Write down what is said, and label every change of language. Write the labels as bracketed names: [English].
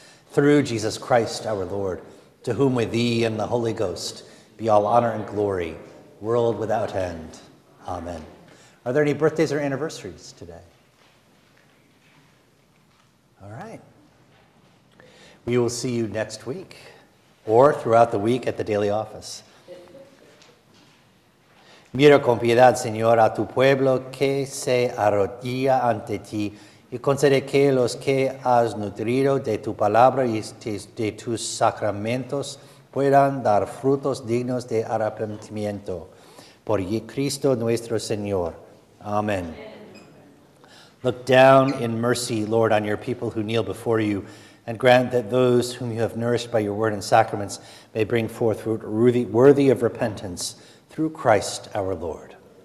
[English] Through Jesus Christ, our Lord, to whom with thee and the Holy Ghost be all honor and glory, world without end. Amen. Are there any birthdays or anniversaries today? All right. We will see you next week or throughout the week at the daily office. [Spanish] Mira con piedad, Señor, a tu pueblo que se arrodilla ante ti y concede que los que has nutrido de tu palabra y de tus sacramentos puedan dar frutos dignos de arrepentimiento. Por Cristo nuestro Señor. Amen. [English] Look down in mercy, Lord, on your people who kneel before you, and grant that those whom you have nourished by your word and sacraments may bring forth fruit worthy of repentance, through Christ our Lord.